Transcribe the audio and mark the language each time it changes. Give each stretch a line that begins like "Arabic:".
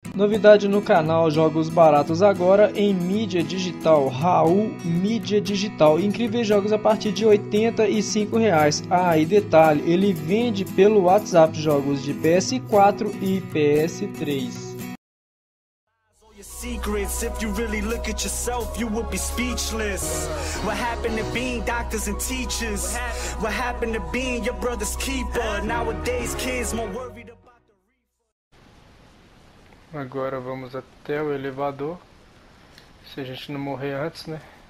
Portuguese: Novidade no canal Jogos Baratos agora em mídia digital. Raul Mídia Digital. Incríveis jogos a partir de R$ 85. Ah, e detalhe, ele vende pelo WhatsApp jogos de PS4 e PS3.
English: Secrets, if you really look at yourself, you would be speechless. What happened to being doctors and teachers? What happened to being your brother's keeper? Nowadays, kids more worried about the reaper.
Portuguese: Agora vamos até o elevador. Se a gente não morrer antes, né?